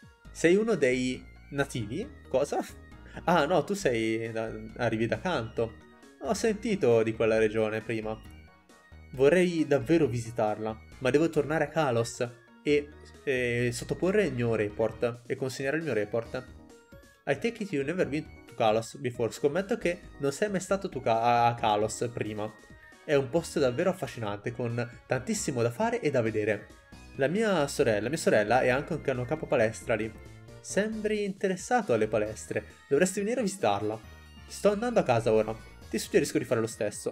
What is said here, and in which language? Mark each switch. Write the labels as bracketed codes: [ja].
[it] Sei uno dei nativi? Cosa? Ah, no, tu sei... arrivi da Kanto. Ho sentito di quella regione prima. Vorrei davvero visitarla, ma devo tornare a Kalos e sottoporre il mio report e consegnare il mio report. [en] I take it you never been to Kalos before. [it] Scommetto che non sei mai stato tu a Kalos prima. È un posto davvero affascinante, con tantissimo da fare e da vedere. La mia sorella è anche un cano capo palestra lì. Sembri interessato alle palestre. Dovresti venire a visitarla. Sto andando a casa ora. Ti suggerisco di fare lo stesso.